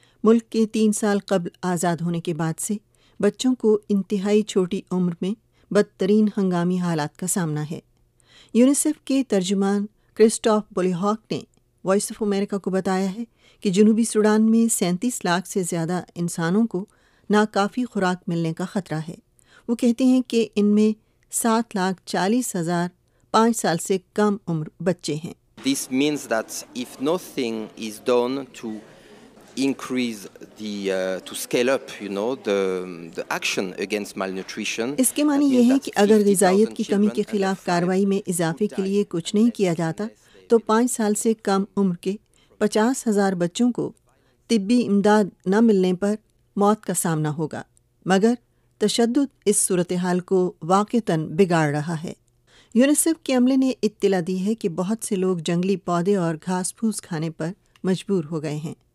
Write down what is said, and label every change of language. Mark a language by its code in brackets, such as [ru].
[ur] ملک کے 3 سال قبل آزاد ہونے کے بعد سے بچوں کو انتہائی چھوٹی عمر میں بدترین ہنگامی حالات کا سامنا ہے۔ یونیسیف کے ترجمان کرسٹوف بولی ہاک نے وائس آف امریکہ کو بتایا ہے کہ جنوبی سوڈان میں 37 لاکھ سے زیادہ انسانوں کو ناکافی خوراک ملنے کا خطرہ ہے۔ وہ کہتے ہیں کہ ان میں 7,40,000 5 سال سے کم عمر بچے ہیں۔ [en] This means that if nothing is done to increase the to scale up you know the action against malnutrition, [ur] اس کے معنی یہ ہے کہ اگر غذائیت کی کمی کے خلاف کاروائی میں اضافے کے لیے کچھ نہیں کیا جاتا تو 5 سال سے کم عمر کے 50,000 بچوں کو طبی امداد نہ ملنے پر موت کا سامنا ہوگا۔ مگر تشدد اس صورتحال کو واقعتاً بگاڑ رہا ہے۔ یونیسیف کے عملے نے اطلاع دی ہے کہ بہت سے لوگ جنگلی پودے اور گھاس پھوس کھانے پر مجبور ہو گئے ہیں۔